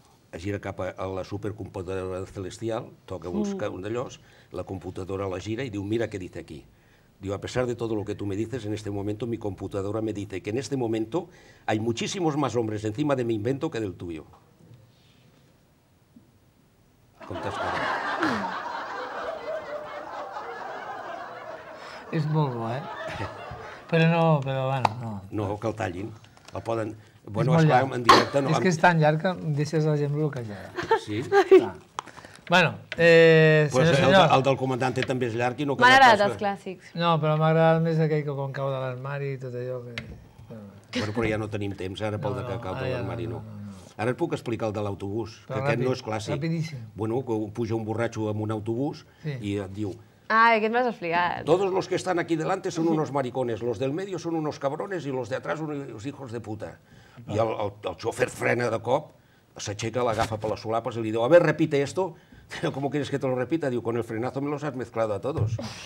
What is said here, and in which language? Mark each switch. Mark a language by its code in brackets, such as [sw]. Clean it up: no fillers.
[ca] Es gira cap a la supercomputadora celestial, toca un d'allòs, la computadora la gira i diu, mira què diu aquí. [es] Digo, a pesar de todo lo que tú me dices, en este momento mi computadora me dice que en este momento hay muchísimos más hombres encima de mi invento que del tuyo. [ca] És molt bo, eh? Però bueno, no. No, que el tallin. El poden... Bueno, esclar, en directe... És que és tan llarg que deixes la gent bloquejada. Sí? Bueno, senyors... El del comandante també és llarg i no... M'agraden els clàssics. No, però m'agraden més aquell que quan cau de l'armari i tot allò que... Bueno, però ja no tenim temps ara pel que cau de l'armari, no. Ara et puc explicar el de l'autobús, que aquest no és clàssic. Rapidíssim. Bueno, que puja un borratxo en un autobús i et diu... Ai, aquest m'has explicat. [es] Todos los que están aquí delante son unos maricones, los del medio son unos cabrones y los de atrás unos hijos de puta. [ca] I el xofer frena de cop, s'aixeca, l'agafa per les solapes i li diu, [es] a ver, repite esto. ¿Cómo quieres que te lo repita? Diu, con el frenazo me los has mezclado a todos.